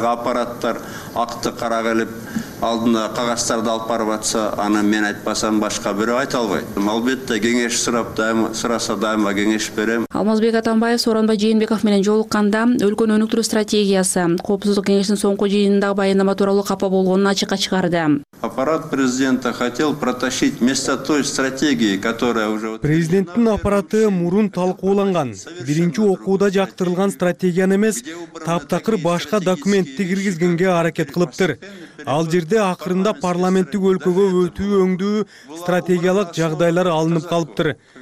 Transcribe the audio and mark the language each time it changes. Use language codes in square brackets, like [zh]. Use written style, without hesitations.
[ky] Аппараттар акты кара келип алдында кагаздарды алып барып атса, аны мен айтпасам башка бирөө айта албайт. Албетте кеңеш сурап дайыма сураса дайыма кеңеш берем. Алмазбек Атамбаев Сооронбай Жээнбеков менен жолукканда өлкөнүн өнүктүрүү стратегиясы, коопсуздук кеңешинин соңку жыйынындагы баяндама тууралуу капа болгонун ачыкка чыгарды. [ru] Аппарат президента хотел протащить вместо той стратегии, которая уже... [ky] Президенттин аппараты мурун талкууланган. Биринчи окууда жактырылган стратегияны эмес, таптакыр башка документти киргизгенге аракет кылыптыр. Ал жерде акырында парламенттик өлкөгө өтүү өңдүү стратегиялык жагдайлар алынып калыптыр.